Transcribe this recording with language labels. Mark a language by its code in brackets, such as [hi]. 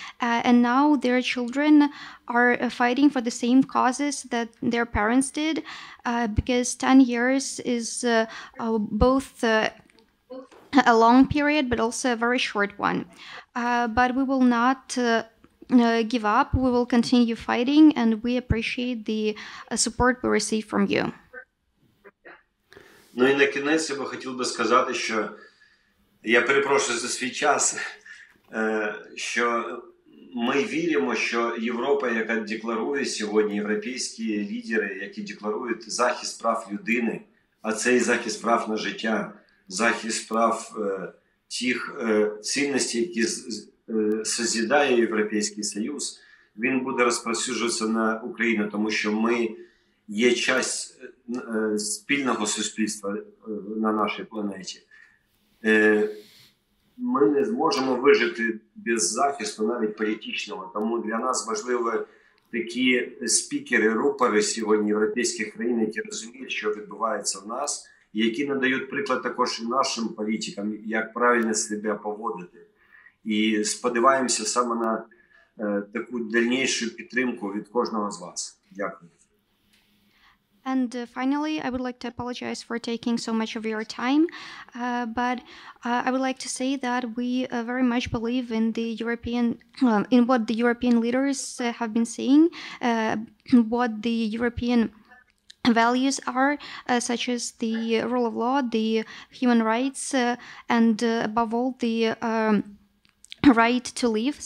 [en] And now their children are fighting for the same causes that their parents did, because 10 years is both a long period, but also a very short one. But we will not give up. We will continue fighting, and we appreciate the support we receive from you. [uk] Ну і на кінець я би хотів би сказати, що я перепрошую за свій час, що ми віримо, що Європа, яка декларує сьогодні, європейські лідери, які декларують захист прав людини, а це і захист прав на життя, захист прав тих цінностей, які созидає Європейський Союз, він буде розповсюджуватися на Україну, тому що ми є часть спільного суспільства на нашій планеті. Ми не зможемо вижити без захисту, навіть політичного. Тому для нас важливі такі спікери, рупори сьогодні європейських країн, які розуміють, що відбувається в нас, і які надають приклад також нашим політикам, як правильно себе поводити. І сподіваємося саме на таку дальнішу підтримку від кожного з вас. Дякую. [en] And finally, I would like to apologize for taking so much of your time, but I would like to say that we very much believe in the European, in what the European leaders have been saying, what the European values are, such as the rule of law, the human rights, and above all, the right to live.